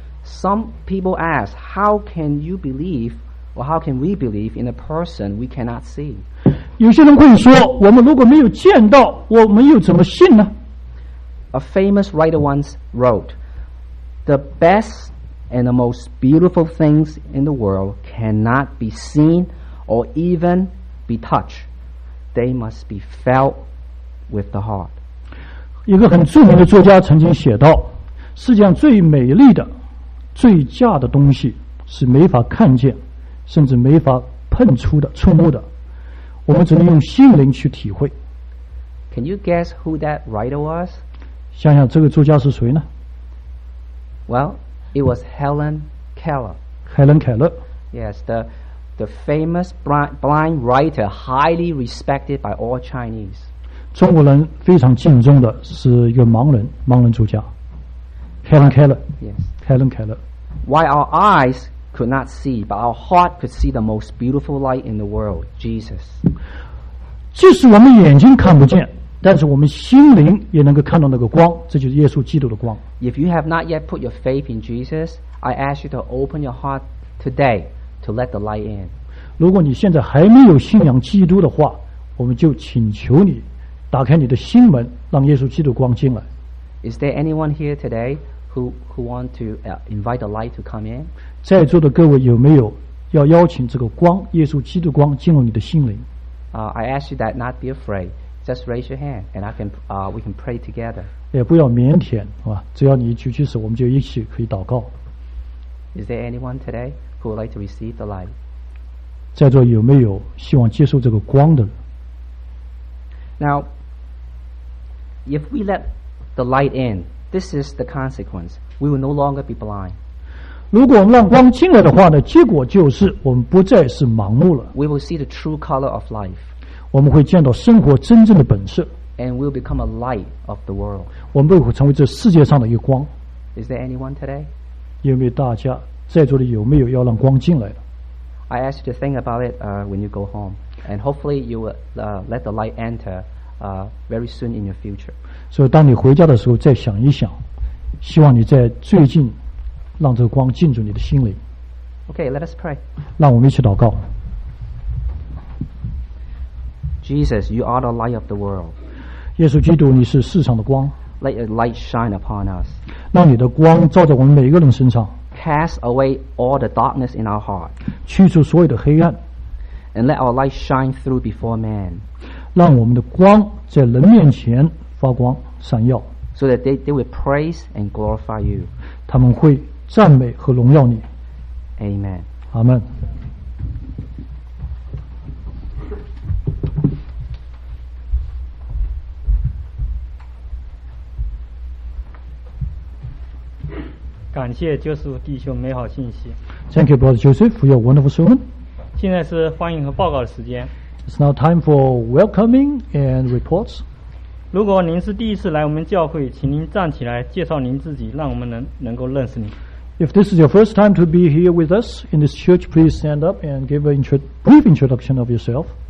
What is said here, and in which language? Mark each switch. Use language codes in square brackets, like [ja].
[en] Some people ask, how can you believe, or how can we believe in a person we cannot see? [zh] 有些人会说，我们如果没有见到，我们又怎么信呢？ [en] A famous writer once wrote, the best and the most beautiful things in the world cannot be seen or even be touched. They must be felt with the heart. [zh] 一个很著名的作家曾经写道，世界上最美丽的、最佳的东西是没法看见，甚至没法碰触的、触摸的。我们只能用心灵去体会。 [en] Can you guess who that writer was? [zh] 想想这个作家是谁呢？ [en] Well, it was Helen Keller. Helen Keller. Yes, the famous blind writer, highly respected by all Chinese. [zh] 中国人非常敬重的是一个盲人作家 Helen Keller. [en] Yes. Helen Keller. Why our eyes... could not see, but our heart could see the most beautiful light in the world, Jesus. [zh] 即使我们眼睛看不见，但是我们心灵也能够看到那个光，这就是耶稣基督的光。 [en] If you have not yet put your faith in Jesus, I ask you to open your heart today to let the light in. [zh] 如果你现在还没有信仰基督的话，我们就请求你打开你的心门，让耶稣基督光进来。 [en] Is there anyone here today who want to invite the light to come in? [zh] 在座的各位有没有要邀请这个光，耶稣基督光进入你的心灵？ [en] I ask you that not be afraid. Just raise your hand, and we can pray together. [zh] 也不要腼腆，啊，只要你一举起手，我们就一起可以祷告。 [en] Is there anyone today who would like to receive the light? [zh] 在座有没有希望接受这个光的？ [en] Now, if we let the light in, this is the consequence. We will no longer be blind. [zh] 如果我们让光进来的话呢，结果就是我们不再是盲目了。 [en] We will see the true color of life. [zh] 我们会见到生活真正的本色。 [en] And we'll become a light of the world. [zh] 我们会成为这世界上的一个光。 [en] Is there anyone today? [zh] 有没有大家在座的有没有要让光进来的？ [en] I ask you to think about it when you go home, and hopefully you will let the light enter very soon in your future. [zh] 所以当你回家的时候再想一想，希望你在最近让这个光进入你的心里。 [en] Okay, let us pray. [zh] 让我们一起祷告。 [en] Jesus, you are the light of the world. [zh] 耶稣基督，你是世上的光。 [en] Let your light shine upon us. [zh] 让你的光照在我们每一个人身上。 [en] Cast away all the darkness in our heart. [zh] 驱除所有的黑暗。 [en] And let our light shine through before man. [zh] 让我们的光在人面前发光闪耀。 [en] So that they will praise and glorify you. [zh] 他们会赞美和荣耀你。 [en] Amen. Amen. Thank you, Brother Joseph, for your wonderful sermon. [zh] 现在是欢迎和报告的时间。 [en] It's now time for welcoming and reports. [zh] 如果您是第一次来我们教会，请您站起来介绍您自己，让我们能够认识您。 [en] If this is your first time to be here with us in this church, please stand up and give a brief introduction of yourself.